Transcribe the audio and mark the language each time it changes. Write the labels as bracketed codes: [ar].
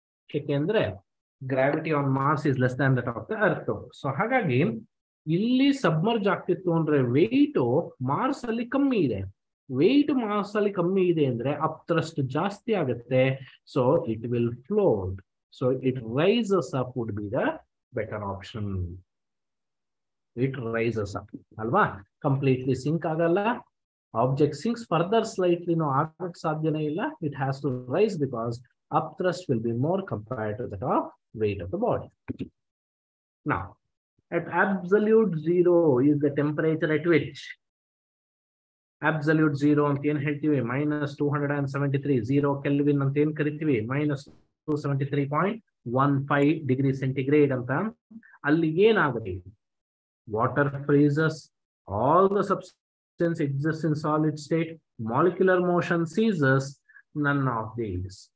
[en] ಯಾಕೆಂದ್ರೆ gravity on Mars is less than that of the earth. [kn] So ಹಾಗಾಗಿ ಇಲ್ಲಿ submerge ಆಗ್ತಿತ್ತು ಅಂದ್ರೆ ವೆಯ್ಟ್ ಮಾರ್ಸ್ ಅಲ್ಲಿ ಕಮ್ಮಿ ಇದೆ, ವೆಯ್ಟ್ ಮಾರ್ಸ್ ಅಲ್ಲಿ ಕಮ್ಮಿ ಇದೆ ಅಂದ್ರೆ ಅಪ್ ಥ್ರಸ್ಟ್ ಜಾಸ್ತಿ ಆಗುತ್ತೆ. [en] So it will float, so it rises up would be the better option. It rises up [kn] ಅಲ್ವಾ, ಕಂಪ್ಲೀಟ್ಲಿ ಸಿಂಕ್ ಆಗಲ್ಲ, [en] object sinks further slightly, [kn] no aagak sadhyane illa, [en] it has to rise because up thrust will be more compared to that of weight of the body. Now, at absolute zero is the temperature at which, [kn] absolute zero anthe en heltive, [en] -273 [kn] zero kelvin anthe en karithive, [en] -273.15 degree centigrade [kn] anta, alli yen aagutte, [en] water freezes, all the since exists in solid state, molecular motion ceases, none of these.